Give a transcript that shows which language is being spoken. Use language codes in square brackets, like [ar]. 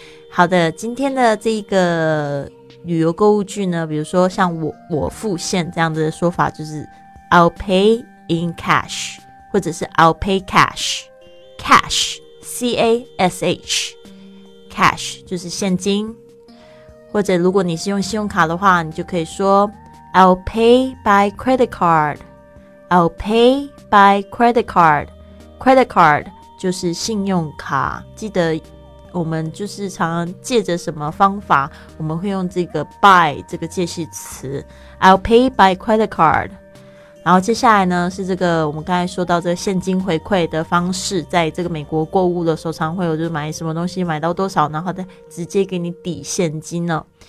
[zh] 好的，今天的这个旅游购物句呢，比如说像我付现这样的说法，就是 [en] I'll pay in cash， [zh] 或者是 [en] I'll pay cash， [zh] cash C-A-S-H， cash 就是现金。或者如果你是用信用卡的话，你就可以说 [en] I'll pay by credit card， [zh] I'll pay by credit card。 Credit card 就是信用卡，记得我们就是常常借着什么方法，我们会用这个 by 这个介系词 [en] I'll pay by credit card。 [zh] 然后接下来呢，是这个我们刚才说到这个现金回馈的方式，在这个美国购物的时候常会有，就是买什么东西买到多少，然后再直接给你抵现金了。